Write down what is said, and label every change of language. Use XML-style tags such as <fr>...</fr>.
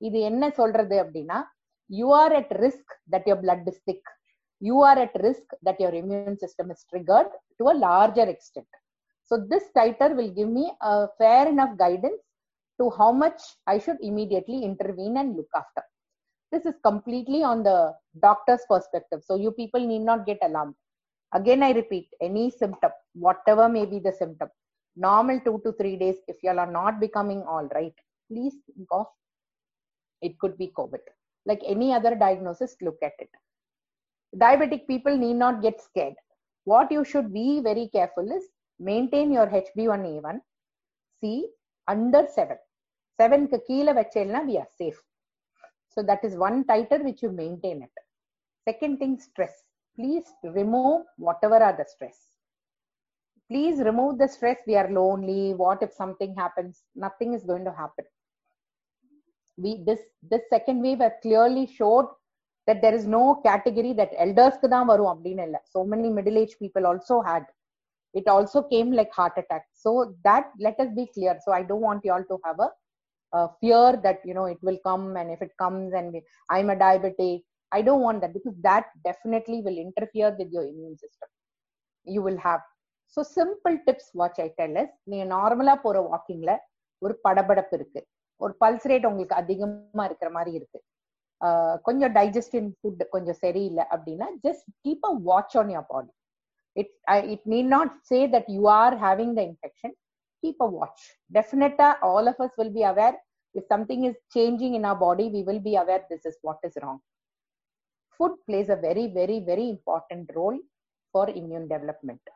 <ta>இது என்ன சொல்றது அப்படின்னா,</ta> <en>You are at risk that your blood is thick, you are at risk that your immune system is triggered to a larger extent. So this titer will give me a fair enough guidance to how much I should immediately intervene and look after. This is completely on the doctor's perspective. So you people need not get alarmed. Again, I repeat, any symptom, whatever may be the symptom, normal 2 to 3 days, if you all are not becoming all right, please think of it could be COVID. Like any other diagnosis, look at it. Diabetic people need not get scared. What you should be very careful is, maintain your HbA1c under 7.</en> <ta>7 க்கு கீழே வச்சேன்னா</ta> <en>We are safe. So that is one titer which you maintain it. Second thing, stress. Please remove whatever are the stress. Please remove the stress. We are lonely, what if something happens, nothing is going to happen. We this second wave have clearly showed that there is no category that</en> <ta>எல்டர்ஸ்க்கு தான் வரும் அப்படின்னு இல்லை.</ta> <en>So many middle age people also had. It also came like heart attack. So that, let us be clear. So I don't want you all to have a fear that, you know, it will come, and if it comes and I'm a diabetic, I don't want that, because that definitely will interfere with your immune system. You will have. So simple tips, watch I tell us.</en> <ta>நீ நார்மலா போற வாக்கிங்ல ஒரு படபடப்பு இருக்கு, ஒரு pulse rate உங்களுக்கு அதிகமா இருக்கிற மாதிரி இருக்கு, கொஞ்சம் டைஜஸ்டின் ஃபுட் கொஞ்சம் சரியில்லை அப்படின்னா,</ta> <en>Just keep a watch on your body. It need not say that you are having the infection. Keep a watch. Definitely, all of us will be aware. If something is changing in our body, we will be aware this is what is wrong. Food plays a very, very, very important role for immune development.</en>